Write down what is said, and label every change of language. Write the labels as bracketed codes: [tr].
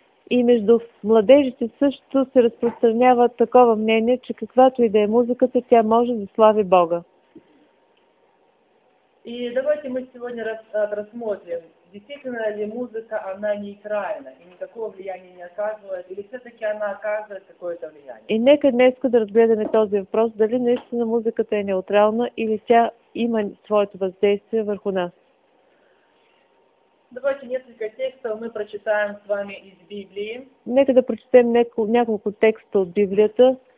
[bg] И между младежите също се разпространява такова мнение, че каквато и да е музиката, тя може да слави Бога. [ru] И давайте мы сегодня рассмотрим, действительно ли музыка, она нейтральна и никакого влияния не оказывает, или все-таки она оказывает какое-то влияние. [bg] И нека днес да разгледаме този въпрос, дали наистина музыката е неутрална или тя има своето въздействие върху нас. [ru] Давайте несколько текстов мы прочитаем с вами из Библии. [bg] Нека да прочитаем няколко текста от Библията.